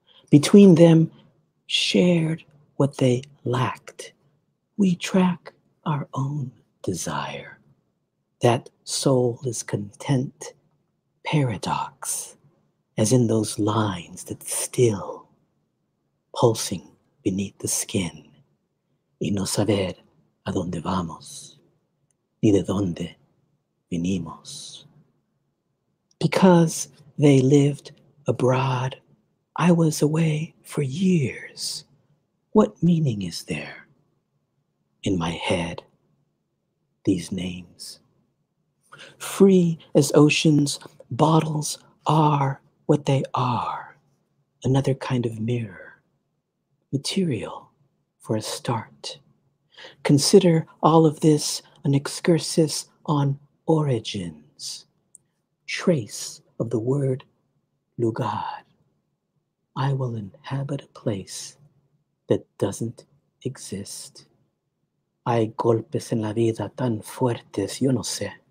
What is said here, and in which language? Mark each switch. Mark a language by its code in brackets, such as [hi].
[en] Between them shared what they lacked. We track our own desire. That soul is content, paradox, as in those lines that still pulsing beneath the skin. [es] Y no saber a dónde vamos, ni de dónde venimos. [en] Because they lived abroad, I was away for years. What meaning is there in my head, these names? Free as oceans, bottles are what they are, another kind of mirror, material for a start. Consider all of this an excursus on origins, trace of the word lugar. I will inhabit a place that doesn't exist. [es] Hay golpes en la vida tan fuertes, yo no sé.